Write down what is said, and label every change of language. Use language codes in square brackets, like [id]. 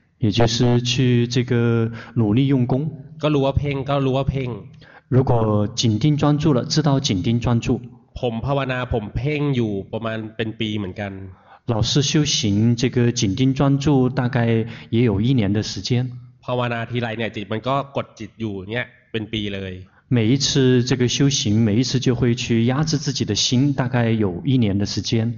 [zh] 也就是去这个努力用功 [th] ก็รู้ว่าเพ่งก็รู้ว่าเพ่ง [zh] 如果紧盯专注了知道紧盯专注 [th] ผมภาวนาผมเพ่งอยู่ประมาณเป็นปีเหมือนกัน [zh] 老师修行这个紧盯专注大概也有一年的时间 [th] ภาวนาทีไรเนี่ยจิตมันก็กดจิตอยู่เนี่ยเป็นปีเลย [zh] 每一次这个修行每一次就会去压制自己的心大概有一年的时间